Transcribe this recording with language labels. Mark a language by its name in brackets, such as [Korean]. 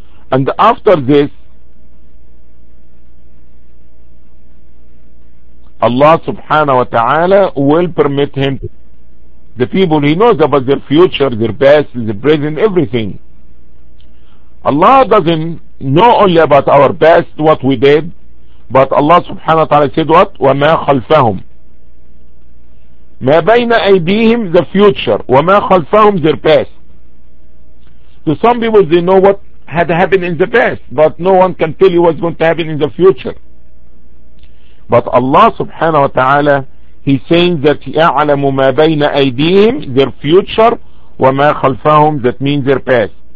[English] And after this, Allah subhanahu wa ta'ala will permit him. The people, he knows about their future, their past, their present, everything. Allah doesn't know only about our past, what we did, but Allah subhanahu wa ta'ala said what? [Arabic] وَمَا خَلْفَهُمْ مَا بَيْنَ أَيْدِيهِمْ [English] the future, [Arabic] وَمَا خَلْفَهُمْ [English] their past. To some people they know what had happened in the past, but no one can tell you what's going to happen in the future. But Allah subhanahu wa ta'ala, he's saying that [Arabic] يَعْلَمُ مَا بَيْنَ أَيْدِيهِمْ [English] their future, [Arabic] وَمَا خَلْفَهُمْ [English] that means their past.